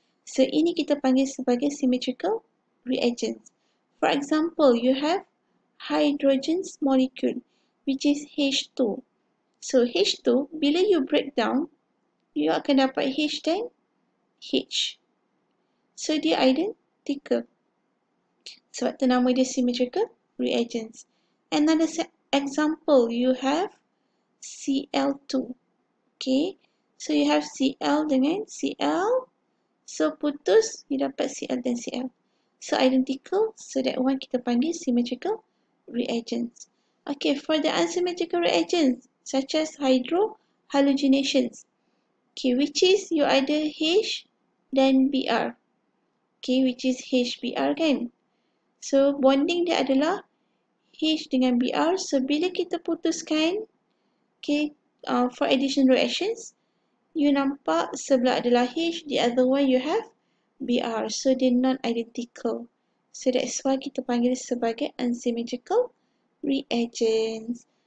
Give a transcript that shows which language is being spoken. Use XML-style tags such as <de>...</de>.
<ms>So, ini kita panggil sebagai symmetrical reagents.</ms> <en>For example, you have hydrogen molecule, which is H2.</en> <ms>So, H2, bila</ms> <en>you break down,</en> <ms>you akan dapat H dan H. So, dia identical. Sebab tu nama dia symmetrical reagents.</ms> <en>Another example, you have Cl2. Okay. So, you have Cl dengan Cl. So, putus, you dapat Cl dan Cl. So, identical. So, that one</en> <ms>kita panggil</ms> <en>symmetrical reagents. Okay, for the unsymmetrical reagents, such as hydrohalogenations. Okay, which is you either H then Br. Okay, which is HBr kan?</en> <ms>So, bonding dia adalah H dengan Br.</ms> <en>So,</en> <ms>bila kita putuskan,</ms> <en>okay, for addition reactions, you</en> <ms>nampak sebelah adalah</ms> <en>H, the other one you have Br. So, they're non-identical. So, that's why</en> <ms>kita panggil sebagai</ms> <en>unsymmetrical reagents.</en>